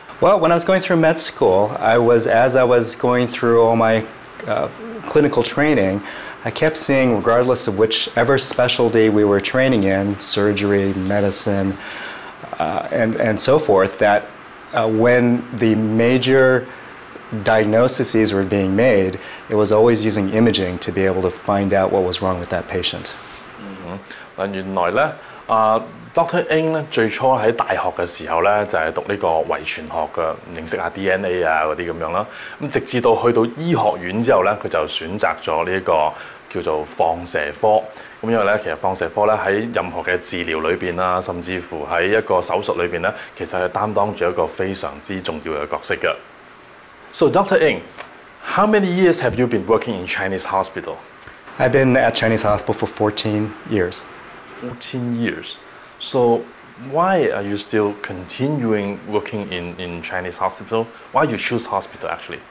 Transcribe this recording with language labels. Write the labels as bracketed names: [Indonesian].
[English] Well, when I was going through med school, as I was going through all my clinical training, I kept seeing, regardless of whichever specialty we were training in, surgery, medicine,and so forth, that when the major diagnoses were being made, it was always using imaging to be able to find out what was wrong with that patient. [Chinese] 原來呢Dr. Ng 最初在大學的時候就是讀這個遺傳學的，認識 DNA 啊那些這樣，直至到去到醫學院之後呢，他就選擇了這個叫做放射科。因為其實放射科在任何的治療裏面，甚至乎在一個手術裏面，其實是擔當著一個非常重要的角色的。 [English] So Dr. Ng, how many years have you been working in Chinese hospital? I've been at Chinese hospital for 14 years. 14 years. So why are you still continuing working in Chinese hospital? Why you choose hospital actually?